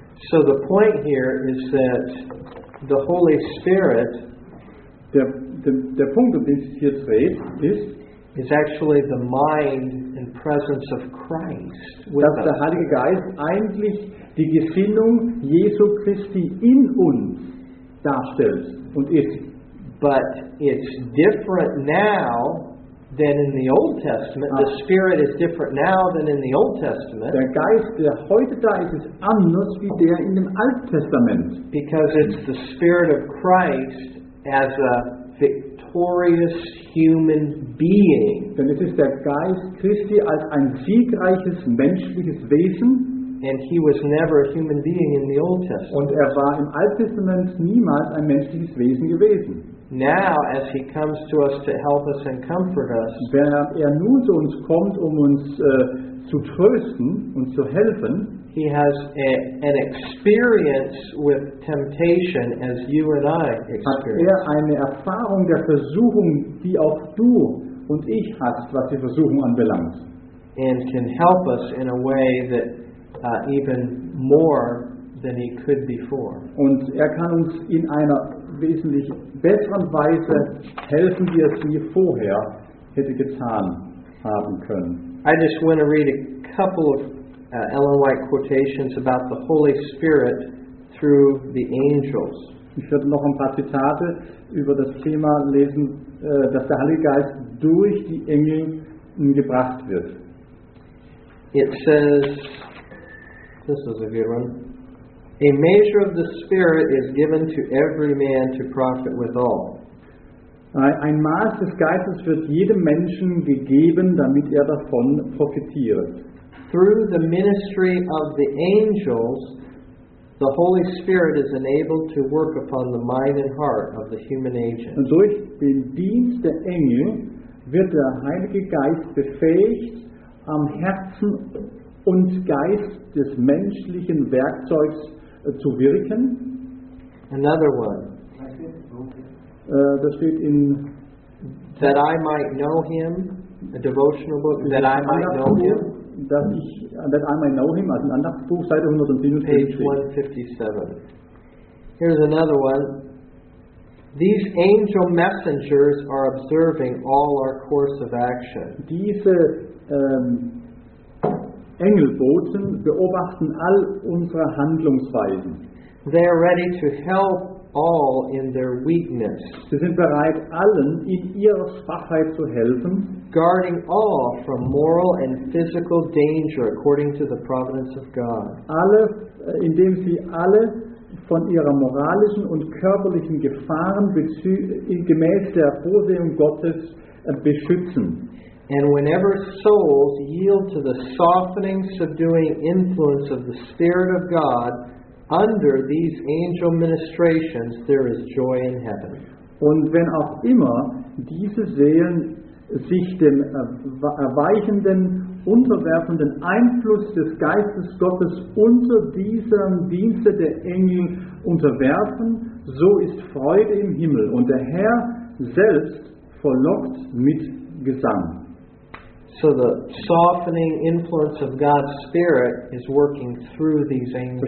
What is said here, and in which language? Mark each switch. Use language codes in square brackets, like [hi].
[en] So the point here is that the Holy Spirit, [de] der Punkt, um den es hier dreht, [en] is actually the mind and presence of Christ. [de] Dass der Heilige Geist eigentlich die Gesinnung Jesu Christi in uns darstellt und ist. [en] But it's different now than in the Old Testament. The Spirit is different now than in the Old Testament. [de] Der Geist, der heute da ist, ist anders wie der in dem Alten Testament. [en] Because it's the Spirit of Christ as a victorious human being. [de] Denn es ist der Geist Christi als ein siegreiches menschliches Wesen. [en] And he was never a human being in the Old Testament. [de] Und er war im Alten Testament niemals ein menschliches Wesen gewesen. [en] Now, as he comes to us to help us and comfort us, [de] wenn er nun zu uns kommt, um uns zu trösten und zu helfen, [en] he has an experience with temptation as you and I experience. [de] Hat er eine Erfahrung der Versuchung, die auch du und ich hast, was die Versuchung anbelangt. [en] And can help us in a way that even more than he could before. [de] Und er kann uns in einer wesentlich besseren Weise helfen, wie es wie vorher hätte getan haben können. [en] I just want to read a couple of Ellen White quotations about the Holy Spirit through the angels. [de] Ich würde noch ein paar Zitate über das Thema lesen, dass der Heilige Geist durch die Engel gebracht wird. [en] It says, this is a good one. A measure of the Spirit is given to every man to profit withal. [de] Ein Maß des Geistes wird jedem Menschen gegeben, damit er davon profitiert. [en] Through the ministry of the angels, the Holy Spirit is enabled to work upon the mind and heart of the human agent. [de] Und durch den Dienst der Engel wird der Heilige Geist befähigt, am Herzen und Geist des menschlichen Werkzeugs zu wirken. [en] Another one. [de] Das steht in [en] That I might know him, a devotional book, that I might know him. [de] That I might know him, also ein anderes Buch, Seite 157. [en] Page 157. Here's another one. These angel messengers are observing all our course of action. [de] Diese Engelboten beobachten all unsere Handlungsweisen. [en] They are ready to help all in their weakness. [de] Sie sind bereit, allen in ihrer Schwachheit zu helfen. [en] Guarding all from moral and physical danger according to the providence of God. [de] Alle, indem sie alle von ihrer moralischen und körperlichen Gefahren gemäß der Vorsehung Gottes beschützen. [en] And whenever souls yield to the softening, subduing influence of the Spirit of God, under these angel ministrations, there is joy in heaven. [de] Und wenn auch immer diese Seelen sich dem erweichenden, unterwerfenden Einfluss des Geistes Gottes unter diesem Dienste der Engel unterwerfen, so ist Freude im Himmel und der Herr selbst verlockt mit Gesang. [en] So the softening influence of God's Spirit is working through these angels.